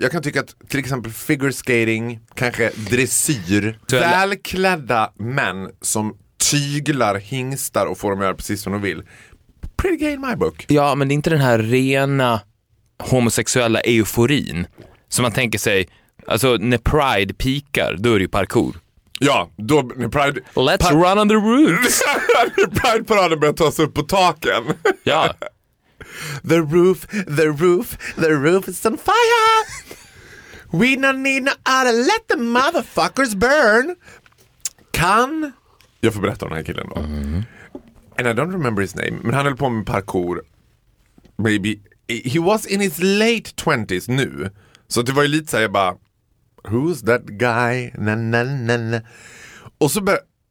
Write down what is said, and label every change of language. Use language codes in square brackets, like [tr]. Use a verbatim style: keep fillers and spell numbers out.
[sv] Jag kan tycka att till exempel figure skating, kanske dressyr, välklädda män som tyglar hingstar och får dem göra precis som de vill. [en] Pretty gay in my book. [sv] Ja, men det är inte den här rena homosexuella euforin som man tänker sig, alltså när Pride pikar, då är det ju parkour. Ja, då när Pride... [en] Let's par- run on the roofs! [sv] När Pride-paraden börjar ta sig upp på taken. Ja. [en] The roof, the roof, the roof is on fire! We don't need no other, let the motherfuckers burn! [sv] Kan... Jag får berätta om den här killen då. [en] Mm. And I don't remember his name, [sv] men han höll på med parkour. [en] Maybe... He was in his late twenties nu. [sv] Så det var ju lite så här, jag bara... [en] Who's that guy? Na, na, na, na. [sv] Och så började...